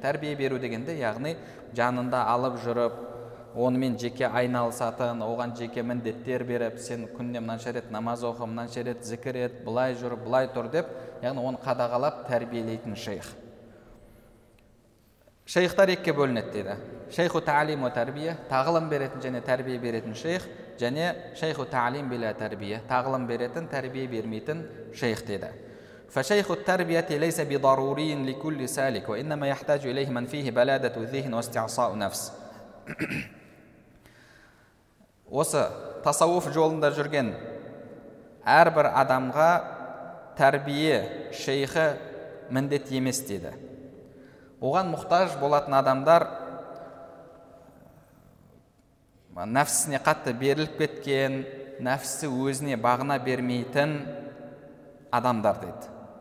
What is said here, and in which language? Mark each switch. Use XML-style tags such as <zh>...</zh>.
<kk>Тәрбие беру дегенде, яғни жанында алып жүріп, онымен жеке айналысатын, оған жеке міндеттер беріп, сен күнде мынанша рет намаз оқы, мынанша рет зікір ет, былай жүр, былай тұр деп, яғни оны қадағалап тәрбиелейтін шейх. Шейхтар екке бөлінеді дейді. Шейху тәалим ва тәрбие, тағылым беретін және тәрбие беретін шейх, және шейху тәалим билә тәрбие, тағылым беретін, тәрбие бермейтін шейх дейді.</kk> <ar>فشيخ التربية ليس بضروري لكل سالك وإنما يحتاج إليه من فيه بلادة ذهن واستعصاء نفس.</ar> <kk>осы тасауф жолында жүрген әрбір адамға тәрбие шейхі міндет емес дейді. Оған мұқтаж болатын адамдар нәпсісіне қатты беріліп кеткен, нәпсісі өзіне бағына бермейтін адамдар дейді.</kk>